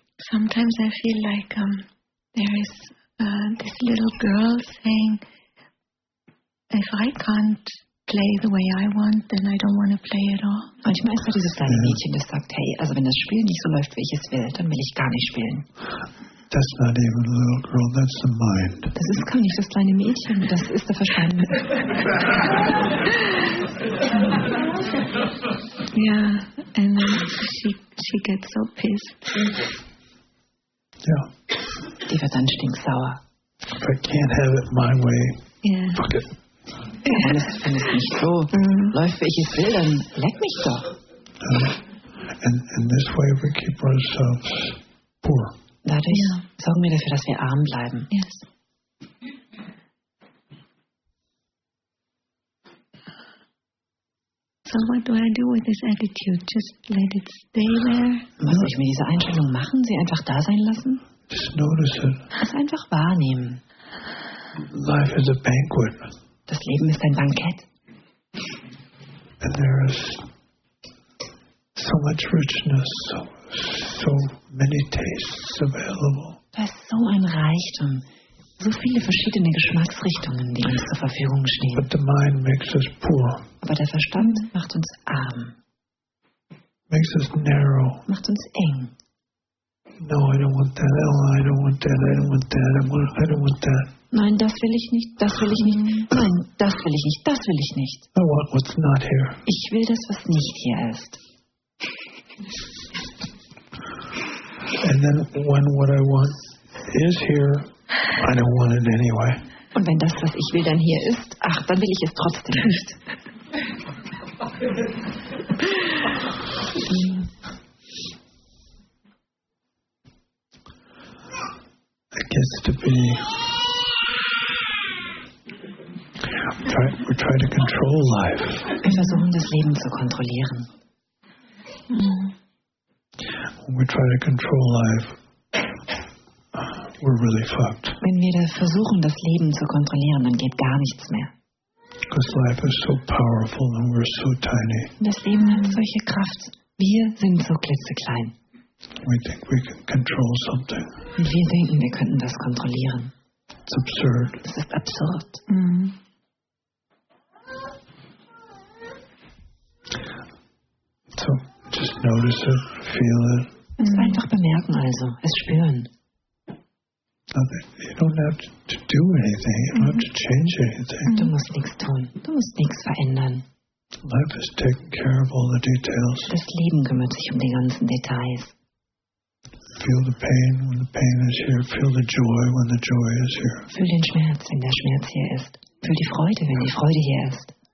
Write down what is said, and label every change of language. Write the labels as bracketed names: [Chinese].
[English] Sometimes I feel like there is this little girl saying, if I can't play the way I want, then I don't want to play at all. [German] Manchmal ist dieses kleine Mädchen, das sagt, hey, also wenn das Spiel nicht so läuft, wie ich es will, dann will ich gar nicht spielen. [English] That's not even a little girl, that's the mind. [German] Das ist gar nicht das kleine Mädchen, das ist der Verstand. [English] Yeah, and then she gets so pissed. Yeah. [German] Die wird dann stinksauer. [English] If I can't have it my way, yeah. Fuck it. [German] Wenn es nicht so läuft, wie ich es will, dann leck mich doch. [English] And this way we keep ourselves poor. [German] Dadurch sorgen wir dafür, dass wir arm bleiben. [English] Yes. So what do I do with this attitude? Just let it stay there? [German] Was soll ich mit dieser Einstellung machen? Sie einfach da sein lassen? [English] Just notice it. [German] Es einfach wahrnehmen. [English] Life is a banquet. [German] Das Leben ist ein Bankett. [English] And there is so much richness, so many tastes available. [German] Da ist so ein Reichtum, so viele verschiedene Geschmacksrichtungen, die uns zur Verfügung stehen. [English] But the mind makes us poor. [German] Aber der Verstand macht uns arm. [English] Makes us narrow. [German] Macht uns eng. [English] No, I don't want that. Oh, I don't want that. I don't want that. I don't want that. [German] Nein, das will ich nicht. Das will ich nicht. Nein, das will ich nicht. Das will ich nicht. [English] I want what's not here. [German] Ich will das, was nicht hier ist. [English] And then when what I want is here, I don't want it anyway. [German] Und wenn das, was ich will, dann hier ist, ach, dann will ich es trotzdem nicht. [English] It gets to be. We try to control life. [German] Wir versuchen, das Leben zu kontrollieren. [English] When we try to control life, we're really fucked. [German] Wenn wir versuchen, das Leben zu kontrollieren, dann geht gar nichts mehr. [English] Because life is so powerful and we're so tiny. [German] Das Leben hat solche Kraft. Wir sind so klitzeklein. [English] We think we can control something. [German] Und wir denken, wir könnten das kontrollieren. [English] It's absurd. [German] Das ist absurd. [English] So. Just notice it, feel it. [German] Es einfach bemerken also, es spüren. [English] You don't have to do anything, you don't have to change anything. [German] Du musst nichts tun, du musst nichts verändern. [English] Life is taking care of all the details. [German] Das Leben kümmert sich um die ganzen Details. [English] Feel the pain when the pain is here, feel the joy when the joy is here. [German] Fühl den Schmerz, wenn der Schmerz hier ist. Fühl die Freude, wenn die Freude hier ist.